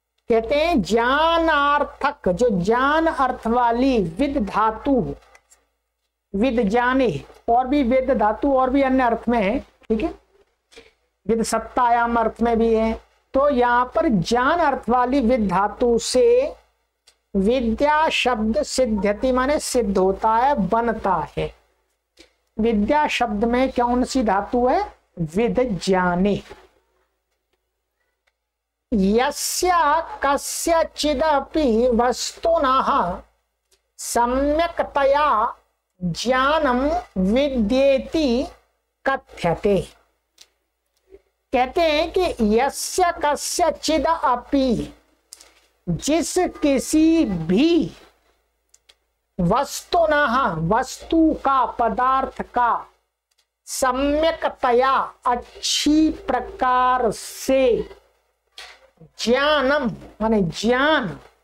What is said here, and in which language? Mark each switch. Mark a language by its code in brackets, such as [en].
[hi] कहते हैं ज्ञानार्थक, जो ज्ञान अर्थ वाली विद धातु, [sa] विद ज्ञाने, [hi] और भी वेद धातु और भी अन्य अर्थ में है, ठीक है, विद सत्तायाम अर्थ में भी है। तो यहां पर ज्ञान अर्थ वाली विद धातु से विद्या शब्द सिद्ध्यति माने सिद्ध होता है, बनता है। विद्या शब्द में कौन सी धातु है? [sa] विद ज्ञाने। यस्य कस्यचिदपि वस्तुनः सम्यक्तया ज्ञानं विद्येति कथ्यते। [hi] कहते हैं कि [sa] यस्य कस्यचिदपि, [hi] जिस किसी भी वस्तुनः, वस्तु का, पदार्थ का, सम्यक्तया, अच्छी प्रकार से ज्ञानम माने ज्ञान,